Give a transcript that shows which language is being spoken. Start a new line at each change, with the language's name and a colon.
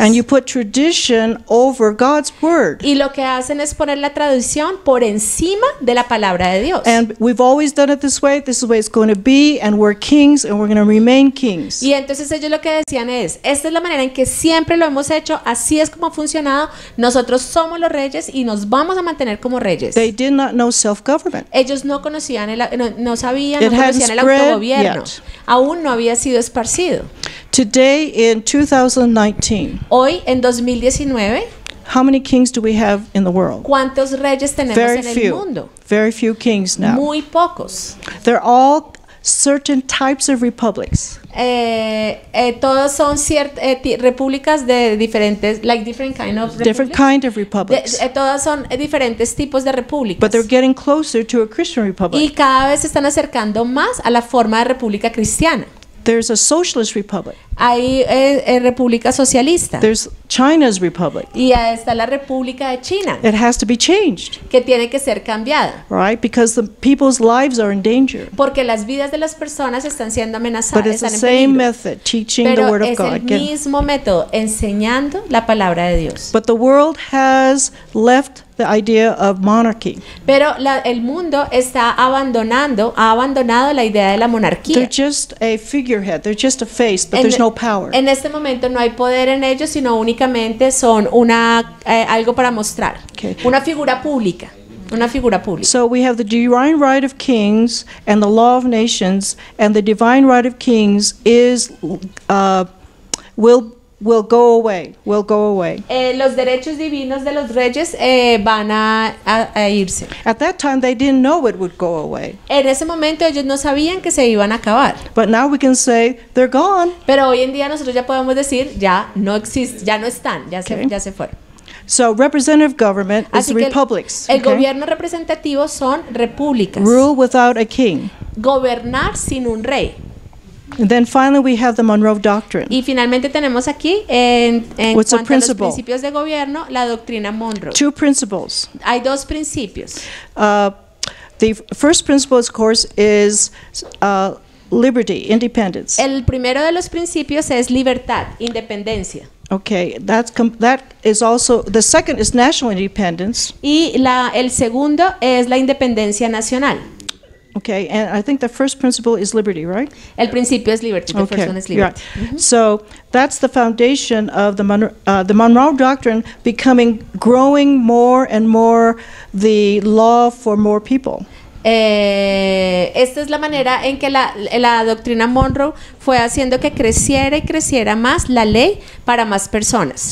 English: And you put tradition over God's word.
Spanish: Y lo que hacen es poner la tradición por encima de la palabra de Dios.
English: And we've always done it this way. This is the way it's going to be, and we're kings, and we're going to remain kings.
Spanish: Y entonces ellos lo que decían es, esta es la manera en que siempre lo hemos hecho, así es como ha funcionado, nosotros somos los reyes y nos vamos a mantener como reyes.
English: They did not know self-government.
Spanish: Ellos no conocían el autogobierno.
English: Yet.
Spanish: Aún no había sido esparcido.
English: Today in 2019.
Spanish: Hoy en 2019.
English: How many kings do we have in the world?
Spanish: ¿Cuántos reyes tenemos
English: Very
Spanish: en
English: few.
Spanish: El mundo?
English: Very few kings now.
Spanish: Muy pocos.
English: They're all certain types of republics.
Spanish: Todos son repúblicas de diferentes,
English: like different kind of republics. Different kind of republics.
Spanish: Todas son diferentes tipos de repúblicas.
English: But they're getting closer to a Christian republic.
Spanish: Y cada vez se están acercando más a la forma de república cristiana.
English: There's a socialist republic.
Spanish: Hay república socialista.
English: There's China's republic.
Spanish: Y está la República de China.
English: It has to be changed.
Spanish: Que tiene que ser cambiada.
English: Right? Because the people's lives are in danger.
Spanish: Porque las vidas de las personas están siendo amenazadas.
English: But it's the same method, teaching the word of God.
Spanish: Pero es el mismo método, enseñando la palabra de Dios.
English: But the world has left the idea of monarchy.
Spanish: Pero el mundo está abandonando, ha abandonado la idea de la monarquía.
English: They're just a figurehead. They're just a face, but there's no power.
Spanish: En este momento no hay poder en ellos, sino únicamente son una algo para mostrar, okay. Una figura pública. Una figura pública.
English: So we have the divine right of kings and the law of nations, and the divine right of kings is will go away. Will go away.
Spanish: Los derechos divinos de los reyes van a irse.
English: At that time, they didn't know it would go away.
Spanish: En ese momento, ellos no sabían que se iban a acabar.
English: But now we can say they're gone.
Spanish: Pero hoy en día nosotros ya podemos decir ya no existen, ya no están, ya se, okay. Ya se fueron.
English: So representative government is
Spanish: así que
English: republics.
Spanish: El gobierno representativo son repúblicas.
English: Rule without a king.
Spanish: Gobernar sin un rey.
English: And then finally we have the Monroe Doctrine.
Spanish: Y finalmente tenemos aquí en cuanto a los principios de gobierno, la doctrina Monroe.
English: Two principles.
Spanish: Hay dos principios.
English: The first principle, of course, is liberty, independence.
Spanish: El primero de los principios es libertad, independencia.
English: Okay, that is also, the second is national independence.
Spanish: Y el segundo es la independencia nacional.
English: Okay, and I think the first principle is liberty, right?
Spanish: El principio es libertad. The
English: okay, first one is liberty. Right. Mm-hmm. So that's the foundation of the Monroe Doctrine becoming, growing more and more the law for more people.
Spanish: Esta es la manera en que la doctrina Monroe fue haciendo que creciera y creciera más la ley para más personas.